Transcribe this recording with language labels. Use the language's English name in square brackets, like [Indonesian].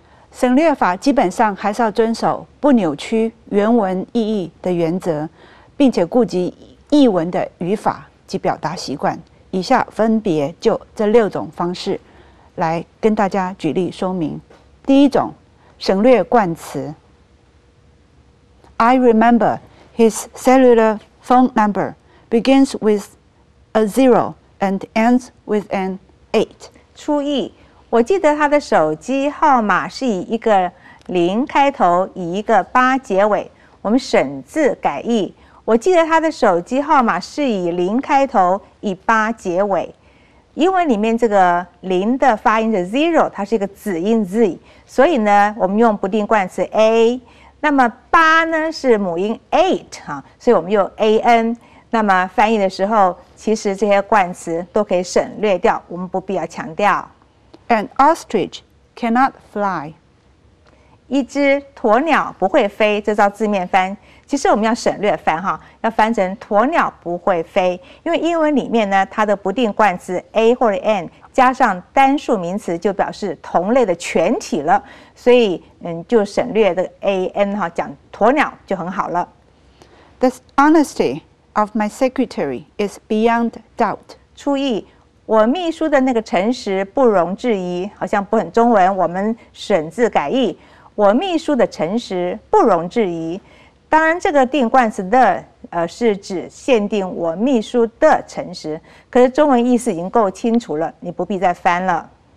[Chinese] 省略法基本上还是要遵守不扭曲原文意义的原则，并且顾及译文的语法及表达习惯。以下分别就这六种方式来跟大家举例说明。第一种，省略冠词。 [English] I remember his cellular phone number begins with a zero and ends with an eight. [Chinese] 初译，我记得他的手机号码是以一个零开头，以一个八结尾。我们省字改译，我记得他的手机号码是以零开头，以八结尾。英文里面这个零的发音是 zero， 它是一个子音 z， 所以呢，我们用不定冠词 a。那么八呢是母音 eight 哈，所以我们用 an。那么翻译的时候，其实这些冠词都可以省略掉，我们不必要强调。 [English] An ostrich cannot fly。 [Chinese] 一只鸵鸟不会飞，这叫字面翻。其实我们要省略翻哈，要翻成鸵鸟不会飞，因为英文里面呢，它的不定冠词 a 或者 an 加上单数名词，就表示同类的全体了。所以，就省略这个 an 哈，讲鸵鸟就很好了。 [English] The honesty of my secretary is beyond doubt. [Chinese] 初译，我秘书的那个诚实不容置疑，好像不很中文。我们省字改译，我秘书的诚实不容置疑。当然这个定冠词的是指限定我秘书的诚实，可是中文意思已经够清楚了，你不必再翻了。